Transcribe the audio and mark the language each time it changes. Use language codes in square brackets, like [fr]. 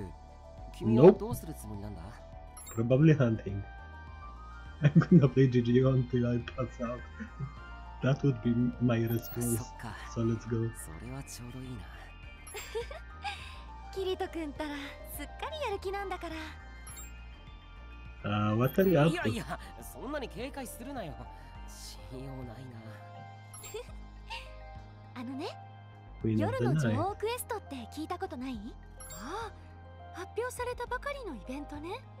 [ja] そういえば、アバシさんはいつもお母さんと一緒にいられるわけではないんですね。お母さんに会いに。楽しいに決まってますよ。ところで、この3連休君はどうするつもりなんだ? [en] Probably hunting. I'm gonna play GG until I pass out. That would be my response. So let's go. [ja] それはちょうどいいな。キリト君ったらすっかりやる気なんだから。ああ、わかりやす。いやいや、そんなに警戒するなよ。しようないな。あのね、夜の女王クエストって聞いたことない？ああ、発表されたばかりのイベントね。